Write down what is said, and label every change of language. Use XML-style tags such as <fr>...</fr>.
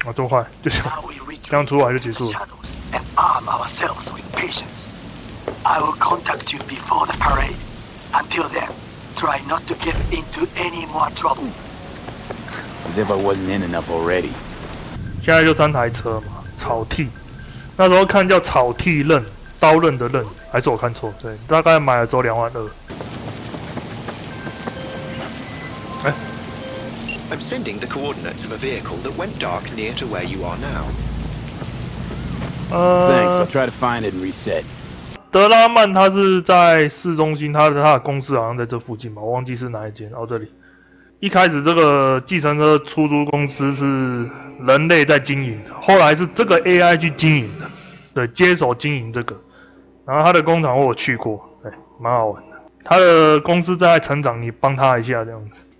<zh>啊，这么快，就这样，这样出来就结束了。</zh> <en>And arm ourselves with patience. I will contact you before the parade. Until then, try not to get into any more trouble. As if I wasn't in enough already.</en> <zh>现在就三台车嘛，草剃。那时候看叫草剃刃，刀刃的刃，还是我看错？对，大概买的时候22,000。</zh> <en>I'm sending the coordinates of a vehicle that went dark near to where you are now. Thanks. I'll try to find it and reset.</en> <zh>德拉曼他是在市中心，他的公司好像在这附近吧，我忘记是哪一间。哦，这里。一开始这个计程车出租公司是人类在经营的，后来是这个 AI 去经营的，对，接手经营这个。然后他的工厂我有去过，哎，蛮好玩的。他的公司在成长，你帮他一下这样子。</zh>